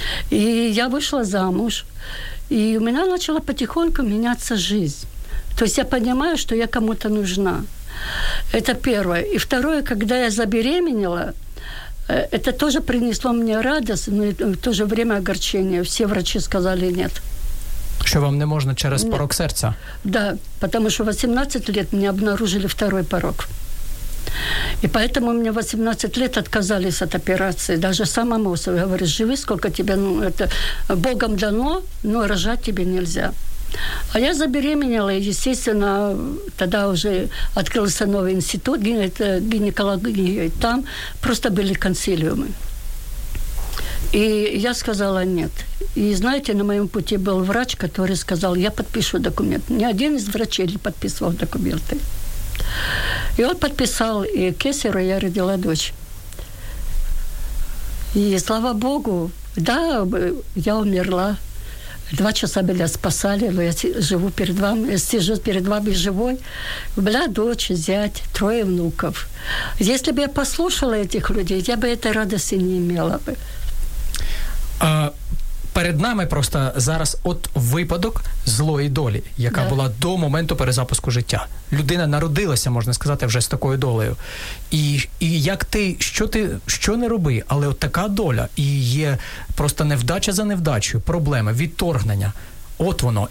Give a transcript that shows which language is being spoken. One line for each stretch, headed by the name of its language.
Russian: И я вышла замуж, и у меня начала потихоньку меняться жизнь. То есть я понимаю, что я кому-то нужна. Это первое. И второе, когда я забеременела, это тоже принесло мне радость, но в то же время огорчение. Все врачи сказали нет.
Ukrainian: Що вам не можна через порок серця?
Russian: Да, потому что 18 лет мне обнаружили второй порок. И поэтому мне 18 лет отказались от операции. Даже сама Мосова говорит, живи, сколько тебе, ну, это Богом дано, но рожать тебе нельзя. А я забеременела, и, естественно, тогда уже открылся новый институт гинекологии, и там просто были консилиумы. И я сказала нет. И знаете, на моем пути был врач, который сказал, я подпишу документ. Ни один из врачей не подписывал документы. И он подписал, и кесару я родила дочь. И слава Богу, да, я умерла. Два часа меня спасали, но я живу перед вами, сижу перед вами живой. У меня дочь, зять, трое внуков. Если бы я послушала этих людей, я бы этой радости не имела бы.
Ukrainian: Перед нами просто зараз от випадок злої долі, яка була до моменту перезапуску життя. Людина народилася, можна сказати, вже з такою долею. І як ти, що ти, що не роби, але от така доля, і є просто невдача за невдачею, проблеми, відторгнення. От воно.